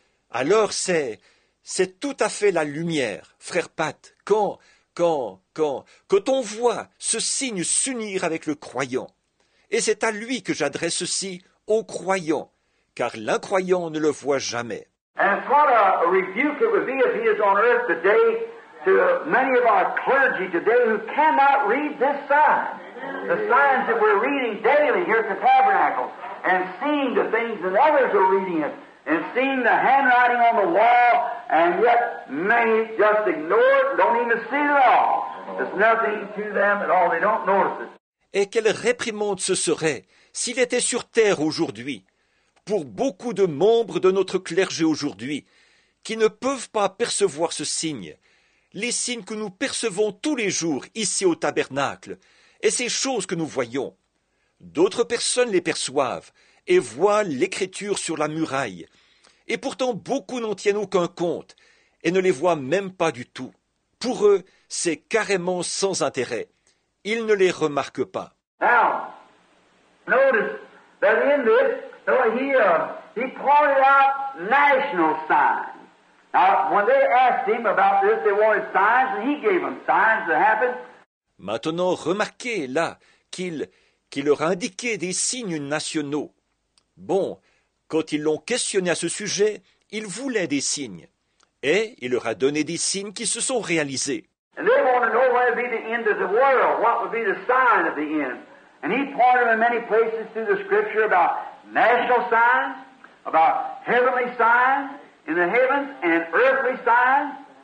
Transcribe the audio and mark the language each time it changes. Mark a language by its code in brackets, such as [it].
[fr] Alors c'est tout à fait la lumière, frère Pat, quand on voit ce signe s'unir avec le croyant. Et c'est à lui que j'adresse ceci, au croyant, car l'incroyant ne le voit jamais. [en] And what a rebuke it would be if he is on earth today to many of our clergy today who cannot read this sign. The signs that we're reading daily here at the tabernacle and seeing the things that others are reading it and seeing the handwriting on the wall, and yet many just ignore it, don't even see it at all. It's nothing to them at all. They don't notice it. [fr] Et quelle réprimande ce serait s'il était sur terre aujourd'hui, pour beaucoup de membres de notre clergé aujourd'hui, qui ne peuvent pas percevoir ce signe, les signes que nous percevons tous les jours ici au tabernacle, et ces choses que nous voyons. D'autres personnes les perçoivent et voient l'écriture sur la muraille, et pourtant beaucoup n'en tiennent aucun compte et ne les voient même pas du tout. Pour eux, c'est carrément sans intérêt. Ils ne les remarquent pas. [en] Now, notice that in this, he pointed out national signs. Now, when they asked him about this, they wanted signs, and he gave them signs that happened. [fr] Maintenant, remarquez là qu'il leur a indiqué des signes nationaux. Bon, quand ils l'ont questionné à ce sujet, ils voulaient des signes. Et il leur a donné des signes qui se sont réalisés. [en] And they wanted to know what would be the end of the world, what would be the sign of the end. And he pointed them in many places through the scripture about national signs, about heavenly signs in the heavens and earthly signs.